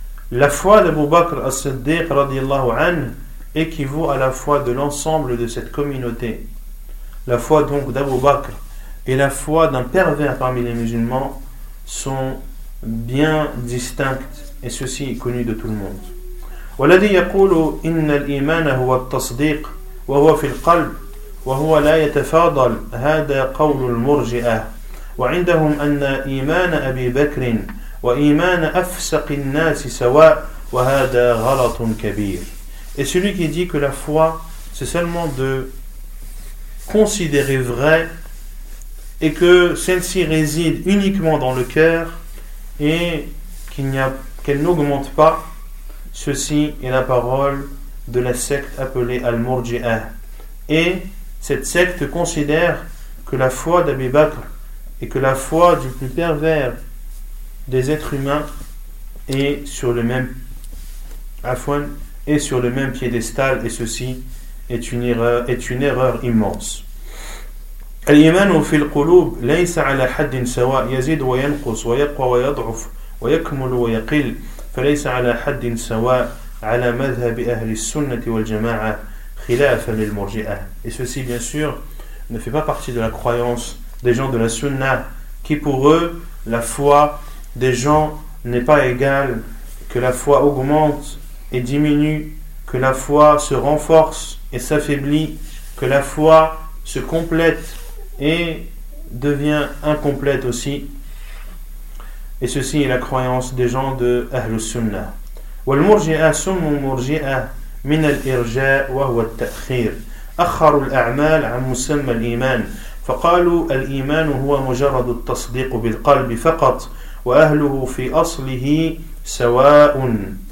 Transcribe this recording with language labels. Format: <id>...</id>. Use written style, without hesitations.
<fr>La foi d'Abu Bakr as-Siddiq radiyallahu anhu équivaut à la foi de l'ensemble de cette communauté. La foi donc d'Abu Bakr et la foi d'un pervers parmi les musulmans sont bien distinctes et ceci est connu de tout le monde.</fr> <ar>والذي يقول إن الإيمان هو التصديق وهو في القلب وهو لا يتفاضل هذا قول المرجئة وعندهم أن إيمان أبي بكر وإيمان أفسق الناس سواء وهذا غلط كبير.</ar> <fr>Et celui qui dit que la foi c'est seulement de considérer vrai et que celle-ci réside uniquement dans le cœur et qu'elle n'augmente pas, ceci est la parole de la secte appelée Al-Murji'ah. Et cette secte considère que la foi d'Abi Bakr et que la foi du plus pervers des êtres humains est sur le même afwan est sur le même piédestal, et ceci est une erreur immense.</fr> <ar>الإيمان في القلوب ليس على حد سواء يزيد وينقص ويقوى ويضعف ويكمل ويقل فليس على حد سواء على مذهب أهل السنة والجماعة خلافا للمرجئة.</ar> <fr>Et ceci bien sûr ne fait pas partie de la croyance des gens de la sunna qui pour eux la foi des gens n'est pas égale, que la foi augmente et diminue, que la foi se renforce et s'affaiblit, que la foi se complète et devient incomplète aussi. Et ceci est la croyance des gens de Ahlus Sunnah.</fr> <ar>والمرجئة سم مرجئة من الإرجاء وهو التأخير. أخروا الأعمال عن مسمى الإيمان. فقالوا الإيمان هو مجرد التصديق بالقلب فقط وأهله في أصله سواء.</ar>